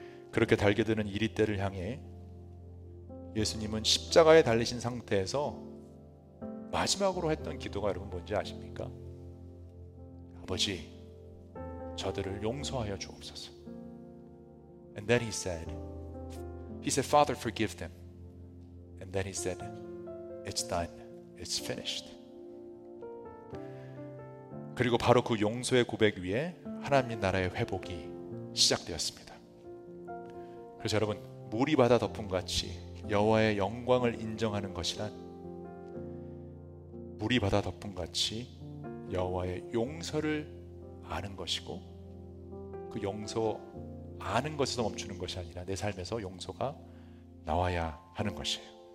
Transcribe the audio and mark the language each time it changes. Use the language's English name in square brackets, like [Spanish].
[Korean] 그렇게 달게 되는 이리 때를 향해 예수님은 십자가에 달리신 상태에서 마지막으로 했던 기도가 여러분 뭔지 아십니까? 아버지, 저들을 용서하여 주옵소서. [English] And then he said, Father, forgive them. And then he said, It's done. It's finished. [Korean] 그리고 바로 그 용서의 고백 위에 하나님 나라의 회복이 시작되었습니다. 그래서 여러분, 물이 바다 덮음 같이 여호와의 영광을 인정하는 것이란 물이 바다 덮음 같이 여호와의 용서를 아는 것이고 그 용서 아는 것에서 멈추는 것이 아니라 내 삶에서 용서가 나와야 하는 것이에요.